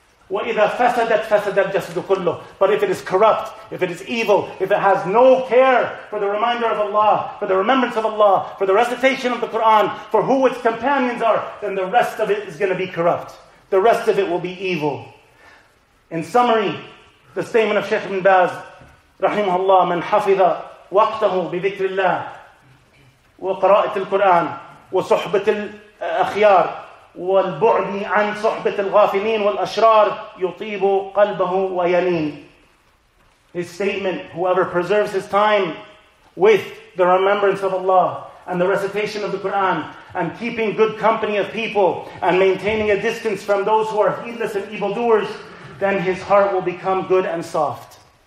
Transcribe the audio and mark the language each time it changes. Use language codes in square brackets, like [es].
[ar] وَإِذَا فَسَدَتْ فَسَدَ الْجَسَدُ كُلُّهُ. [en] But if it is corrupt, if it is evil, if it has no care for the reminder of Allah, for the remembrance of Allah, for the recitation of the Quran, for who its companions are, then the rest of it is going to be corrupt. The rest of it will be evil. In summary, the statement of Shaykh ibn Baz, rahimahullah, [ar] من حفظ وقته بذكر الله وقراءة القرآن وصحبة الأخيار والبعد عن صحبة الغافلين والأشرار يطيب قلبه وينين. [en] His statement, whoever preserves his time with the remembrance of Allah and the recitation of the Quran, and keeping good company of people, and maintaining a distance from those who are heedless and evildoers, then his heart will become good and soft.